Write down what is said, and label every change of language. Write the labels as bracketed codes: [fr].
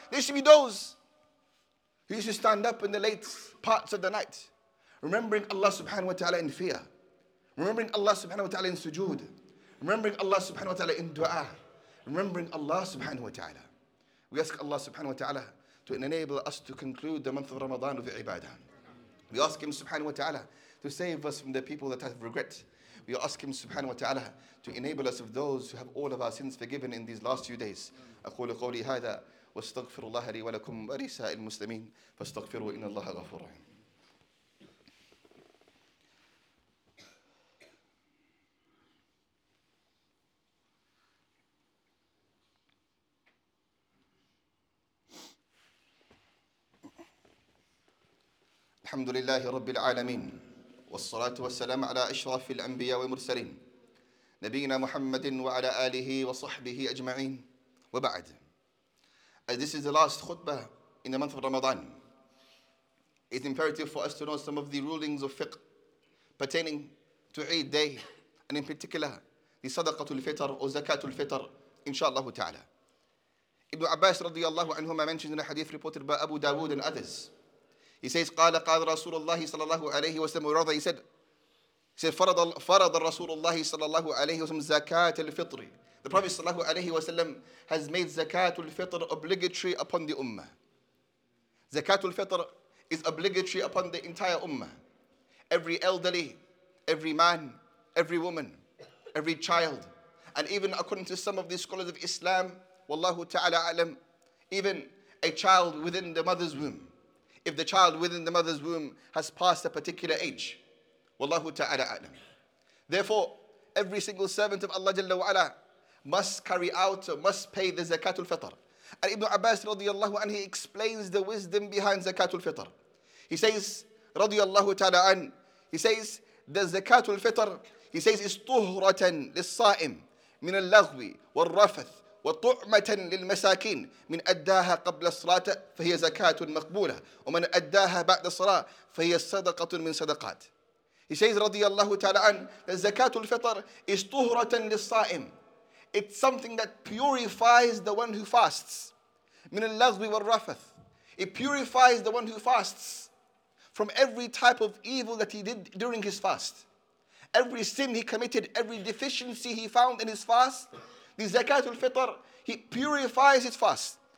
[en] There used to be those who used to stand up in the late parts of the night, remembering Allah subhanahu wa ta'ala in fear, remembering Allah subhanahu wa ta'ala in sujood, remembering Allah subhanahu wa ta'ala in dua, remembering Allah subhanahu wa ta'ala. We ask Allah subhanahu wa ta'ala to enable us to conclude the month of Ramadan with ibadah. We ask Him subhanahu wa ta'ala to save us from the people that have regret. We ask Him subhanahu wa ta'ala to enable us of those who have all of our sins forgiven in these last few days. [ar] أقول قولي هذا واستغفر الله لي ولكم ولسائر المسلمين فاستغفروا إن الله غفور رحيم. الحمد لله رب العالمين والصلاة والسلام على أشرف الأنبياء والمرسلين نبينا محمد وعلى آله وصحبه أجمعين وبعد. [en] As this is the last khutbah in the month of Ramadan, it's imperative for us to know some of the rulings of fiqh pertaining to Eid day, and in particular, the Sadaqatul Fitr or Zakatul Fitr, inshallah ta'ala. Ibn Abbas radiallahu anhuma mentions in a hadith reported by Abu Dawood and others. He says, [ar] قَالَ قَالَ رَسُولُ اللَّهِ صَلَى اللَّهُ عَلَيْهِ وَسَلَّمُ رَضَى [en] He said, [ar] فَرَضَ رَسُولُ اللَّهِ صَلَى اللَّهُ عَلَيْهِ وَسَلَّمُ زَكَاتَ الْفِطْرِ [en] The Prophet [ar] صلى الله عليه وسلم [en] has made Zakatul Fitr obligatory upon the Ummah. Zakatul Fitr is obligatory upon the entire Ummah. Every elderly, every man, every woman, every child. And even according to some of the scholars of Islam, Wallahu ta'ala alam, even a child within the mother's womb. If the child within the mother's womb has passed a particular age, Wallahu ta'ala alam. Therefore, every single servant of Allah Jalla wa'ala must carry out, must pay the Zakatul Fitr. And Ibn Abbas radiallahu anhu, he explains the wisdom behind Zakatul Fitr. He says, [ar] radiallahu ta'ala an, he says, the Zakatul Fitr, he says, is tuhratan lissa'im min al-laghwi wal-rafath وطعمة للمساكين من أداها قبل الصلاة فهي زكاة مقبولة ومن أداها بعد الصلاة فهي صدقة من صدقات. [en] He says [ar] رضي الله تعالى عنه زكاة الفطر is طهرة للصائم. [en] It's something that purifies the one who fasts [ar] من اللغو والرفث. [en] It purifies the one who fasts from every type of evil that he did during his fast. Every sin he committed, every deficiency he found in his fast, the Zakatul Fitr, he purifies his fast.